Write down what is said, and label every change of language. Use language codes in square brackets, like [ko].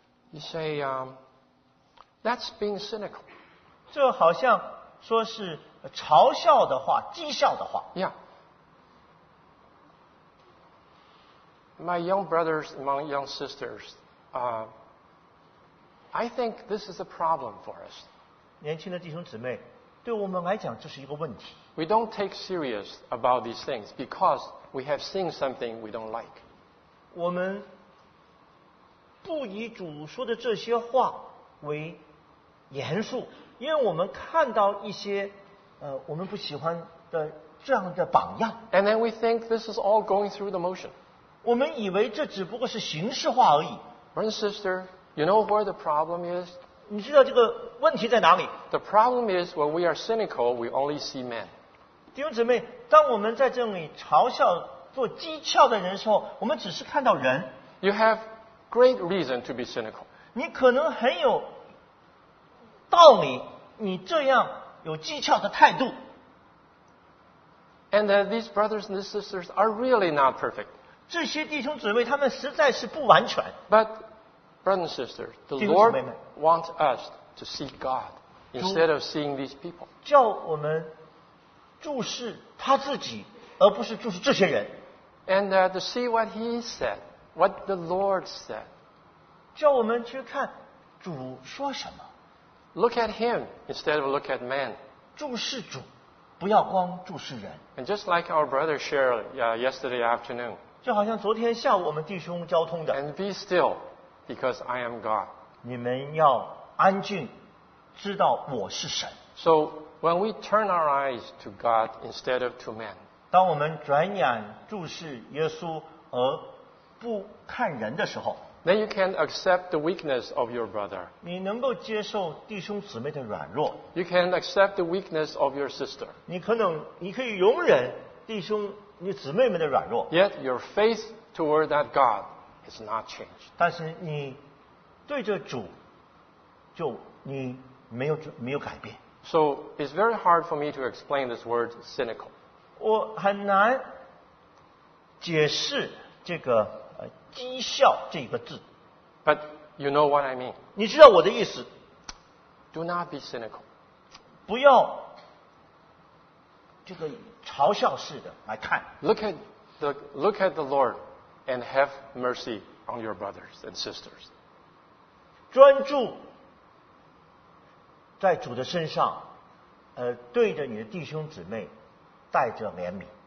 [en] You say that's being cynical. [zh] 这好像说是嘲笑的话，讥笑的话。 [en] Yeah. My young brothers among young sisters, I think this is a problem for us. [zh] 年轻的弟兄姊妹，对我们来讲这是一个问题。 [en] We don't take serious about these things because we have seen something we don't like. [zh] 我们不以主说的这些话为严肃，因为我们看到一些我们不喜欢的这样的榜样。 [en] And then we think this is all going through the motion. [zh] 我们以为这只不过是形式化而已。 [en] Brother and sister,You know where the problem is? [zh] 你知道这个问题在哪里？ [en] The problem is when we are cynical, we only see men. [zh] 弟兄姊妹，当我们在这里嘲笑做讥诮的人的时候，我们只是看到人。 [en] You have great reason to be cynical. [zh] 你可能很有道理，你这样有讥诮的态度。 [en] And that these brothers and sisters are really not perfect. [zh] 这些弟兄姊妹他们实在是不完全。 [en] But brothers and sisters, the Lord wants us to see God instead of seeing these people. [zh] 叫我们注视他自己，而不是注视这些人。 [en] And to see what he said, what the Lord said. [zh] 叫我们去看主说什么。 [en] Look at him instead of look at man. [zh] 注视主，不要光注视人。 [en] And just like our brother shared yesterday afternoon. [zh] 就好像昨天下午我们弟兄交通的。 [en] And be still, because I am God. [zh] 你们要安静，知道我是神。 [en] So when we turn our eyes to God instead of to man. [zh] 当我们转眼注视耶稣而不看人的时候。 [en] Then you can accept the weakness of your brother. [zh] 你能够接受弟兄姊妹的软弱。 [en] You can accept the weakness of your sister. [zh] 你可以容忍弟兄你姊妹们的软弱。 [en] Yet your faith toward that God has not changed. [zh] 但是你对着主就你没有改变。 [en] So it's very hard for me to explain this word cynical. [zh] 我很难解释这个讥笑这个字。 [en] But you know what I mean. [zh] 你知道我的意思。 [en] Do not be cynical. [zh] 不要这个嘲笑式的来看。 [en] Look at the Lord and have mercy on your brothers and sisters. [zh] 专注在主的身上，对着你的弟兄姊妹带着怜悯。